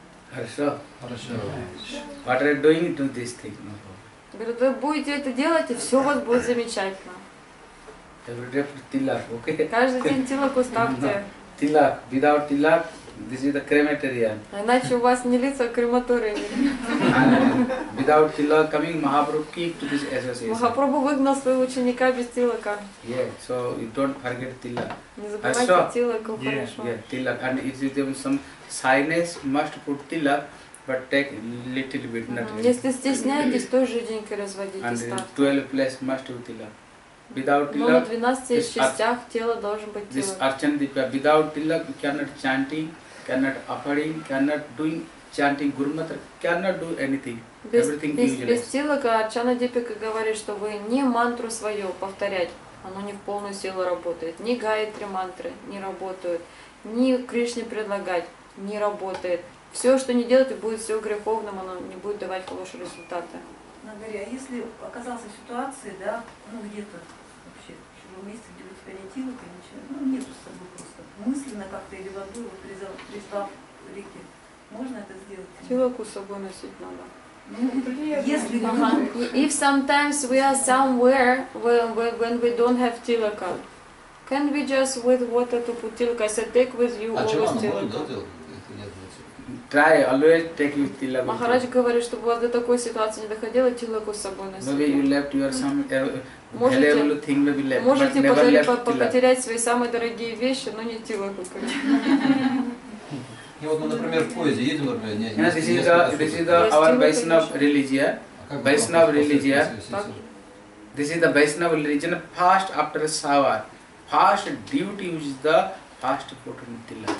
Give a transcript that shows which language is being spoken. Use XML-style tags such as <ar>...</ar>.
<ru>Хорошо.</ru> <en>What are you doing to this thing?</en> <ru>Говорит, вы будете это делать, и все у вас будет замечательно.</ru> <en>Tilak, okay?</en> <ru>Каждый день тилак уставьте.</ru> <en>Тилак. No. Without тилак, this is the crematorium.</en> <ru>Иначе у вас не лица в крематории.</ru> <en>Without тилак, coming Mahaprabhu keep to this association.</en> <ru>Махапрабху выгнал своего ученика без тилака.</ru> <en>Yeah, so you don't forget тилак.</en> <ru>Не забывайте тилаку, хорошо?</ru> <en>Yeah, тилак. And if you have some shyness, must put тилак, but take little bit, not really.</en> <ru>Если стесняетесь, то жиденько разводите ставки.</ru> <en>And 12 place must put тилак.</en> <ru>Но на 12 частях тела должен быть тилак.</ru> <en>This Archandipa, without tilak, you cannot chanting, cannot offering, cannot doing chanting Guru Mantra, cannot do anything. Everything useless.</en> <ru>Без тилака Арчанадипика говорит, что вы ни мантру свою повторять, оно не в полную силу работает. Ни гайтри мантры не работают, ни Кришне предлагать не работает. Все, что не делать, будет все греховным, оно не будет давать хорошие результаты. Говоря, а если оказался в ситуации, да, где-то вообще, в чужом месте, где у тебя нет тилака, ничего, нету с тобой просто, мысленно как-то или воду, пристав реки, можно это сделать? Тилаку с собой носить надо.</ru> <en>If sometimes we are somewhere when we don't have tilaka, can we just with water to put tilaka? I said, take with you always tilaka. Try always take with tilak.</en> <ru>Махарадж говорит, чтобы у вас до такой ситуации не доходило, тилаку с собой носить.</ru> <en>Maybe you left your some valuable thing, maybe left.</en> <ru>Можете потерять свои самые дорогие вещи, но не тилаку. И вот мы, например, в поезде едем, например, не</ru> <en>This is our Vaishnava religion. Vaishnava religion. This is the Vaishnava religion. Fast after shower. Fast duty is the fast putting tilak.</en>